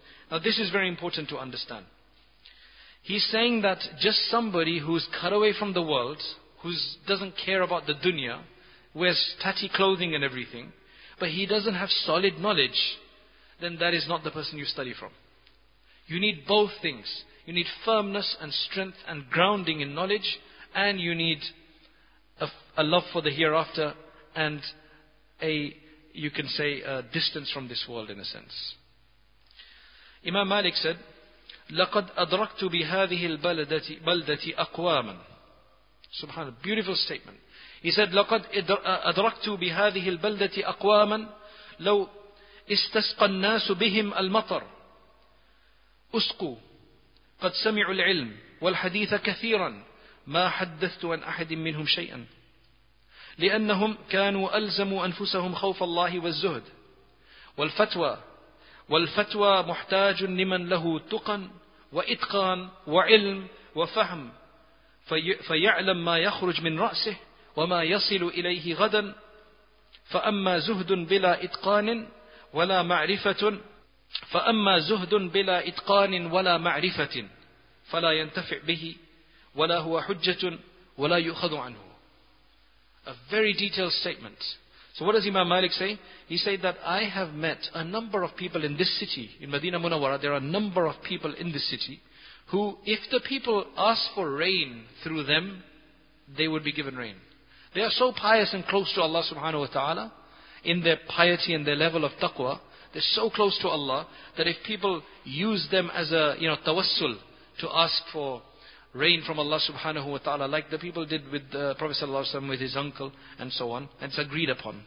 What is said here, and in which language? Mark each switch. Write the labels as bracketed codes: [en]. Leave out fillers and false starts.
[en] Now this is very important to understand. He's saying that just somebody who's cut away from the world, who doesn't care about the dunya, wears tatty clothing and everything, but he doesn't have solid knowledge, then that is not the person you study from. You need both things. You need firmness and strength and grounding in knowledge, and you need a love for the hereafter and a distance from this world in a sense. Imam Malik said, [ar] لَقَدْ أَدْرَكْتُ بِهَذِهِ الْبَلْدَةِ أَقْوَامًا. [en] SubhanAllah, beautiful statement. He said, [ar] لَقَدْ أَدْرَكْتُ بِهَذِهِ الْبَلْدَةِ أَقْوَامًا لَوْ إِسْتَسْقَ النَّاسُ بِهِمْ الْمَطَرُ أُسْقُوا قَدْ سَمِعُوا الْعِلْمِ وَالْحَدِيثَ كَثِيرًا مَا حَدَّثْتُ عَنْ أَحَدٍ مِّنْهُمْ شَيْئًا لأنهم كانوا ألزموا أنفسهم خوف الله والزهد والفتوى والفتوى محتاج لمن له تقى وإتقان وعلم وفهم فيعلم ما يخرج من رأسه وما يصل إليه غدا فأما زهد بلا إتقان ولا معرفة فأما زهد بلا إتقان ولا معرفة فلا ينتفع به ولا هو حجة ولا يؤخذ عنه. [en] A very detailed statement. So what does Imam Malik say? He said that I have met a number of people in this city, in Medina Munawwara, there are a number of people in this city, who if the people ask for rain through them, they would be given rain. They are so pious and close to Allah subhanahu wa ta'ala, in their piety and their level of taqwa, they're so close to Allah, that if people use them as a, you know, tawassul, to ask for rain from Allah subhanahu wa ta'ala, like the people did with the Prophet sallallahu alaihi wasallam, with his uncle, and so on. And it's agreed upon.